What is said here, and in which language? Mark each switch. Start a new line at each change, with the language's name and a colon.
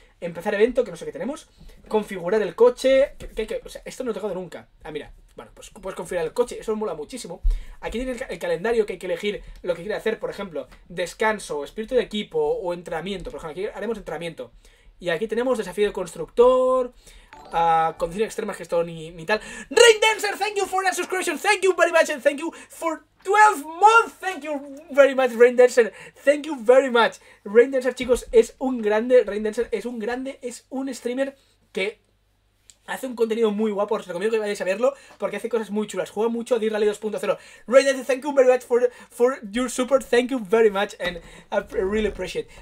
Spanish: Empezar evento, que no sé qué tenemos. Configurar el coche. O sea, esto no he tocado nunca. Ah, mira. Bueno, pues puedes configurar el coche. Eso me mola muchísimo. Aquí tienes el calendario, que hay que elegir lo que quiere hacer. Por ejemplo, descanso, espíritu de equipo o entrenamiento. Por ejemplo, aquí haremos entrenamiento. Y aquí tenemos desafío de constructor. Condiciones extremas, que esto ni tal.
English: Raindancer, thank you for that subscription. Thank you very much. And thank you for 12 months. Thank you very much, Raindancer. Thank you very much.
Spanish: Raindancer, chicos, es un grande. Raindancer es un grande. Es un streamer que hace un contenido muy guapo. Os recomiendo que vayáis a verlo porque hace cosas muy chulas. Juega mucho a D-Rally 2.0.
English: Raindancer, thank you very much for your support. Thank you very much. And I really appreciate.